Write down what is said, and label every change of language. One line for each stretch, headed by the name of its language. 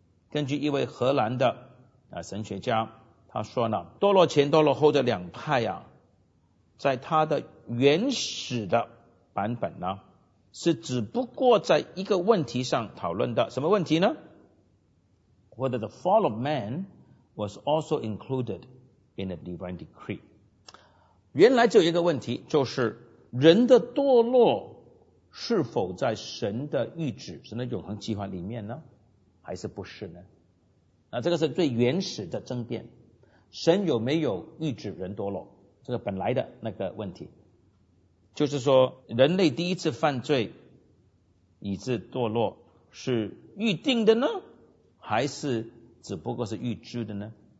Chinese: 根据一位荷兰的神学家，他说呢，堕落前堕落后的两派啊，在他的原始的版本呢，是只不过在一个问题上讨论的。什么问题呢？
English: Whether the fall of man was also included in the divine decree。
Chinese: 原来就有一个问题，就是人的堕落是否在神的预旨、神的永恒计划里面呢，还是不是呢？那这个是最原始的争辩，神有没有预旨人堕落，这个本来的那个问题，就是说人类第一次犯罪以致堕落是预定的呢，还是只不过是预知的呢？